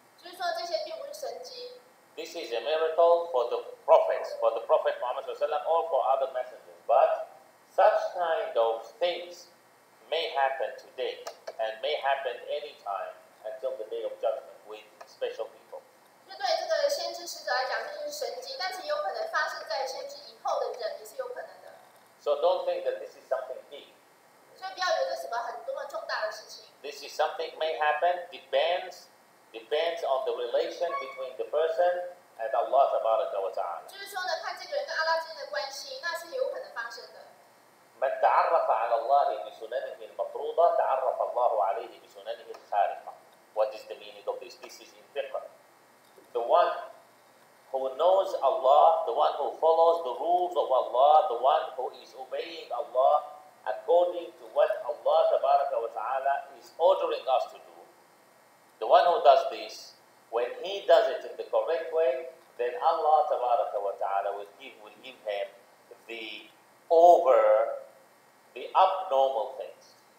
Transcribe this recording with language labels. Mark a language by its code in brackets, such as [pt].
[en] this is a miracle for the prophets, for the Prophet Muhammad sallallahu alaihi wasallam, or for other messengers. But such kind of things may happen today and may happen anytime until the day of judgment with special people. [zh] 对这个先知使者来讲，这是神迹，但是也有可能发生在先知以后的人，也是有可能的。So [en] don't think that this is something big. [zh] 所以不要以为这是什么很多么重大的事情。 [en] This is something may happen, depends on the relation between the person and Allah Subhanahu wa Ta'ala. [zh] 就是说呢，看这个人跟阿拉金的关系，那是有可能发生的。 [ar] من تعرف على الله بسننه المفروضة تعرف الله عليه بسننه الخارقة. [en] What is the meaning of this? This is in fiqh. The one who knows Allah, the one who follows the rules of Allah, the one who is obeying Allah according to what Allah Tabaraka wa Ta'ala is ordering us to do. The one who does this, when he does it in the correct way, then Allah Tabaraka wa Ta'ala will give him the over, the abnormal things.